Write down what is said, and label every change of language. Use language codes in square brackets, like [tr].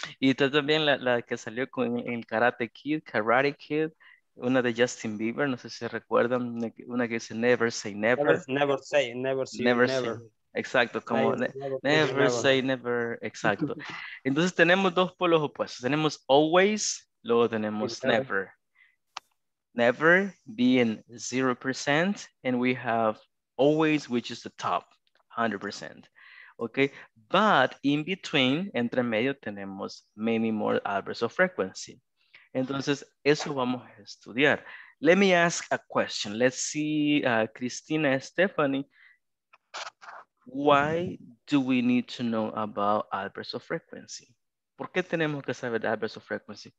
[es] Y está también la que salió con el Karate Kid, una de Justin Bieber, no sé si recuerdan, una que dice Never say never. [en] Never say never. [es] Exacto, como never say never, exacto. Entonces tenemos dos polos opuestos, tenemos always, luego tenemos never. [en] Never being 0%, and we have always, which is the top, 100%. Okay, but in between, [es] entre medio, tenemos [en] many more adverbs of frequency. [es] Entonces, eso vamos a estudiar. [en] Let me ask a question. Let's see, Cristina Stephanie. Why do we need to know about adverbs of frequency? [es] ¿Por qué tenemos que saber de adverbs of frequency?